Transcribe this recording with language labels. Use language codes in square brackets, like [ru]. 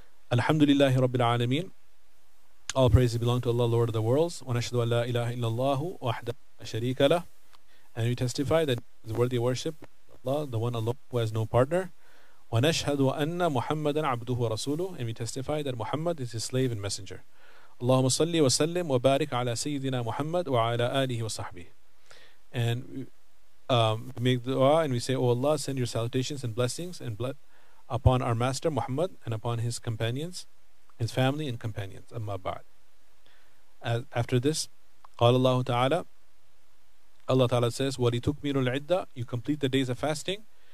[ar] Alhamdulillahi rabbil alameen. [en] All praises belong to Allah, Lord of the worlds. [ar] Wa nashhadu an la ilaha illallah wahdahu sharika lah. [en] And we testify that is worthy of worship. Allah, the one alone who has no partner. [ar] وَنَشْهَدُ وَأَنَّ مُحَمَّدًا عَبْدُهُ وَرَسُولُهُ. [en] And we testify that Muhammad is his slave and messenger. [ar] اللهم صلي وسلم وبارك على سيدنا محمد وعلى آله وصحبه. [en] And we make dua and we say, O Allah, send your salutations and blessings and upon our master Muhammad and upon his companions, his family and companions. [ar] أما بعد. [en] After this, [ar] قال الله تعالى, [en] Allah Ta'ala says, [ar] وَلِتُكْمِلُ الْعِدَّةِ, [en] you complete the days of fasting.